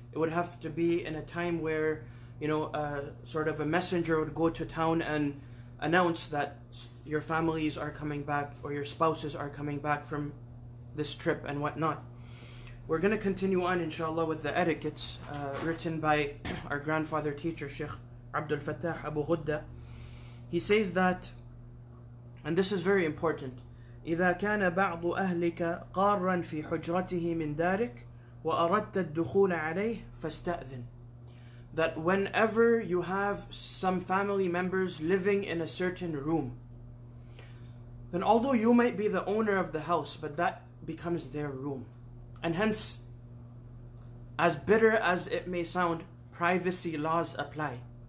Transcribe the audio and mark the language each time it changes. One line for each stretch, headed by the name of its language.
English: It would have to be in a time where, you know, sort of a messenger would go to town and announce that your families are coming back or your spouses are coming back from this trip and whatnot. We're going to continue on, inshallah, with the etiquettes written by our grandfather teacher, Sheikh Abdul Fattah Abu Ghudda. He says that, and this is very important,
Arabic: إِذَا كَانَ بَعْضُ أَهْلِكَ قَارًا فِي حُجْرَتِهِ مِنْ دَارِكَ وَأَرَدْتَ الدُّخُولَ عَلَيْهِ فَاسْتَأْذِنْ.
English: That whenever you have some family members living in a certain room, then although you might be the owner of the house, but that becomes their room. And hence, as bitter as it may sound, privacy laws apply.